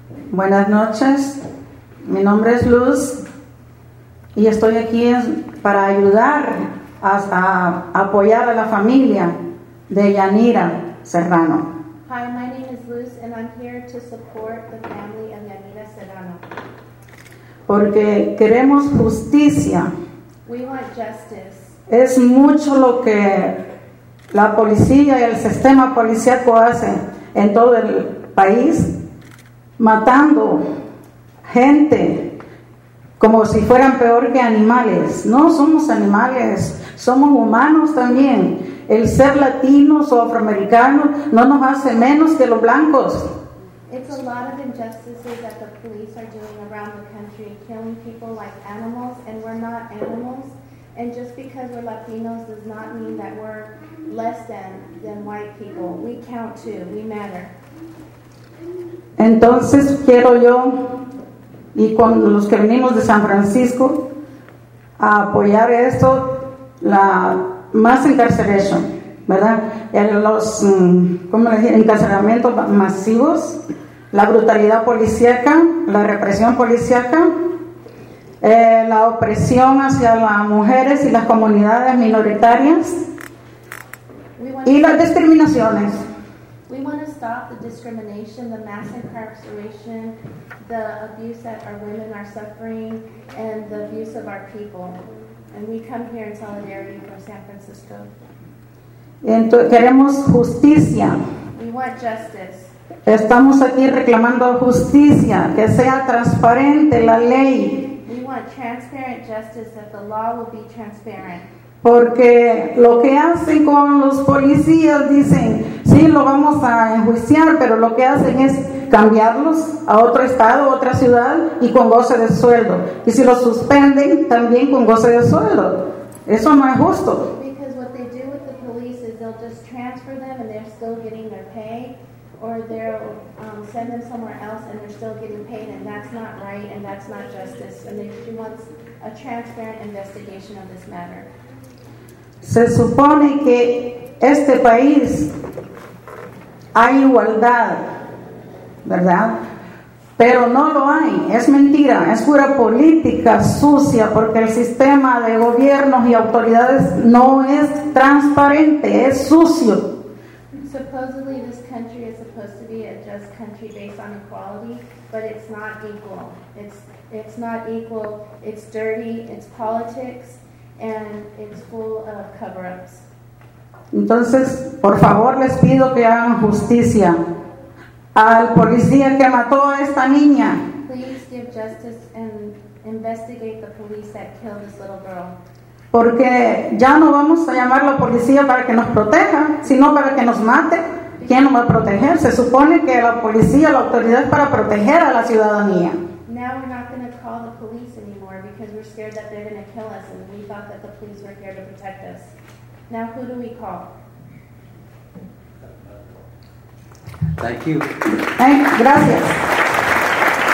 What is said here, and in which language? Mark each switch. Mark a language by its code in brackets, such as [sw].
[es] Buenas noches, mi nombre es Luz y estoy aquí para ayudar a apoyar a la familia de Yanira Serrano. [en] Hi, my name is Luz and I'm here to support the family of Yanira Serrano. [es] Porque queremos justicia. [en] We want justice. [es] Es mucho lo que la policía y el sistema policíaco hace en todo el país, matando gente como si fueran peor que animales. No somos animales, somos humanos también. El ser latinos o afroamericanos no nos hace menos que los blancos. [en] It's a lot of injustices that the police are doing around the country, killing people like animals, and we're not animals. And just because we're Latinos does not mean that we're less than white people. We count too, we matter. [es] Entonces quiero yo y con los que venimos de San Francisco a apoyar esto, la [en] mass incarceration, [es] ¿verdad? Los ¿cómo le dije? Encarcelamientos masivos, la brutalidad policíaca, la represión policíaca, la opresión hacia las mujeres y las comunidades minoritarias y las discriminaciones. [en] We want to stop the discrimination, the mass incarceration, the abuse that our women are suffering, and the abuse of our people. And we come here in solidarity from San Francisco. [es] Entonces, queremos justicia. [en] We want justice. [es] Estamos aquí reclamando justicia, que sea transparente la ley. [en] We want transparent justice, that the law will be transparent. [es] Porque lo que hacen con los policías, dicen, sí, lo vamos a enjuiciar, pero lo que hacen es cambiarlos a otro estado, otra ciudad, y con goce de sueldo. Y si los suspenden, también con goce de sueldo. Eso no es justo. [en] Because what they do with the police is they'll just transfer them and they're still getting their pay, or they'll send them somewhere else and they're still getting paid, and that's not right and that's not justice. And she wants a transparent investigation of this matter. [es] Se supone que este país hay igualdad, ¿verdad? Pero no lo hay, es mentira, es pura política sucia, porque el sistema de gobiernos y autoridades no es transparente, es sucio. [en] Supposedly this country is supposed to be a just country based on equality, but it's not equal. It's not equal, it's dirty, it's politics. And it's full of cover-ups. [es] Entonces, por favor, les pido que hagan justicia al policía que mató a esta niña. [en] Please give justice and investigate the police that killed this little girl. [es] Porque ya no vamos a llamar a la policía para que nos proteja, sino para que nos mate. ¿Quién nos va a proteger? Se supone que la policía, la autoridad, es para proteger a la ciudadanía. [en] Now we're not going to call the police anymore because we're scared that they're going to kill us, and we thought that the police were here to protect us. Now who do we call? Thank you. [es] Hey, gracias.